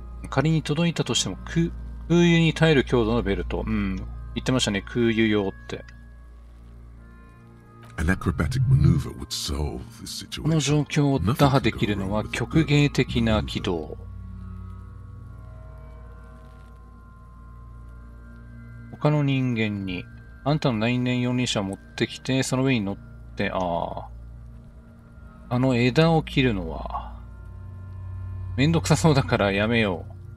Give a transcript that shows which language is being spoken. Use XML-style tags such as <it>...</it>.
<ja>仮に届いたとしても空輸に耐える強度のベルト。言ってましたね、空輸用って。</ja> <en>An acrobatic maneuver would solve this situation.</en> <ja>この状況を打破できるのは曲芸的な軌道。他の人間に、あんたの内燃四輪車を持ってきて、その上に乗って、あの枝を切るのは、めんどくさそうだからやめよう。</ja>